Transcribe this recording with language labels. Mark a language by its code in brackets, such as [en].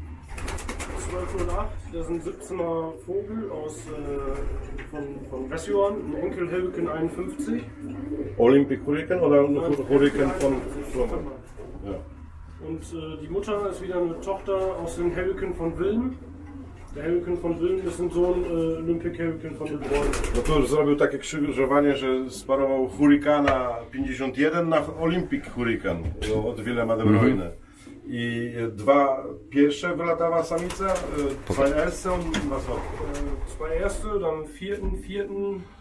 [de] 1208, das ist ein 17er Vogel aus von Vesuan, ein Enkel Hurricane 51. Olympic Hurricane oder Hurricane von Flommen? Ja. Und die Mutter ist wieder eine Tochter aus dem Hurricane von Wilm. Der Hurricane von Wilm ist ein Sohn Olympic Hurricane von Lebron. [pl] No to już zrobił takie krzyżowanie, że sparował Hurricana 51 na Olympic Hurricane od Wilhelma de Bruyne. Mm-hmm. I dwa pierwsze wylatała samica, [de] zwei erste und was war? Zwei erste, dann vierten.